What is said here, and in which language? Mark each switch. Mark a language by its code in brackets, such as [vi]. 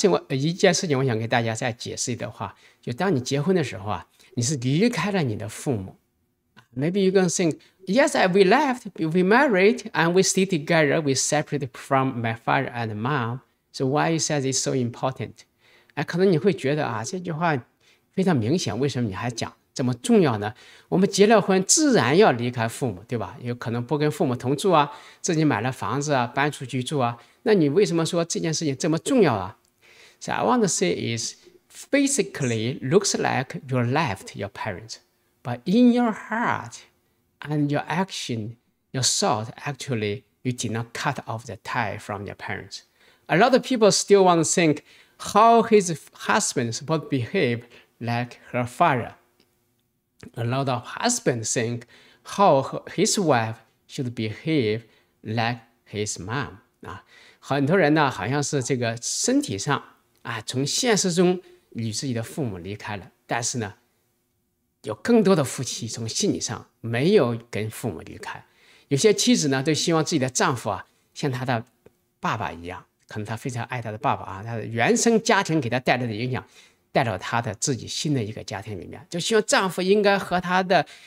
[zh] 一件事情我想给大家再解释的话，就当你结婚的时候啊，你是离开了你的父母。 [en] Maybe you're going to think, yes, we left, we married, and we stay together, we separate from my father and mom. So why you say it's so important? [zh] 可能你会觉得啊，这句话非常明显，为什么你还讲这么重要呢？我们结了婚自然要离开父母，对吧？有可能不跟父母同住啊，自己买了房子啊，搬出去住啊，那你为什么说这件事情这么重要啊？ [en] So I want to say isBasically, looks like you left your parents, but in your heart and your action, your thought, actually, you did not cut off the tie from your parents. A lot of people still want to think how his husband is supposed to behave like her father. A lot of husbands think how his wife should behave like his mom. [zh] 很多人呢，好像是这个身体上啊，从现实中与自己的父母离开了，但是呢，有更多的夫妻从心理上没有跟父母离开。有些妻子呢，都希望自己的丈夫啊，像他的爸爸一样，可能他非常爱他的爸爸啊，他的原生家庭给他带来的影响，带到他的自己新的一个家庭里面，就希望丈夫应该和他的